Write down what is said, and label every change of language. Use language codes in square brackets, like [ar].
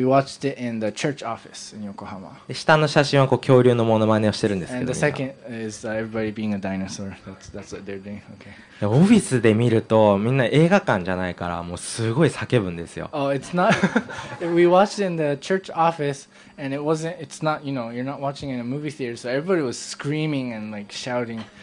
[en] We watched it in the church office in Yokohama. [ja] 下の写真はこう恐竜のモノマネをしてるんですけど、 [en] And the second is everybody being a dinosaur. That's what they're doing. Okay. [ja] オフィスで見るとみんな映画館じゃないからもうすごい叫ぶんですよ。 [en] Oh, it's not. We watched in the church office, and it wasn't. It's not. You know, you're not watching in a movie theater, so everybody was screaming and like shouting.